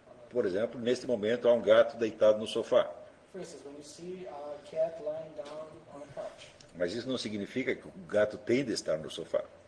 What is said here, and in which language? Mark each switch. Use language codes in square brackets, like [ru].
[pt] Por exemplo, neste momento há um gato deitado no sofá. [en] For instance, when you see a cat lying down on a couch. [pt] Mas isso não significa que o gato tem de estar no sofá.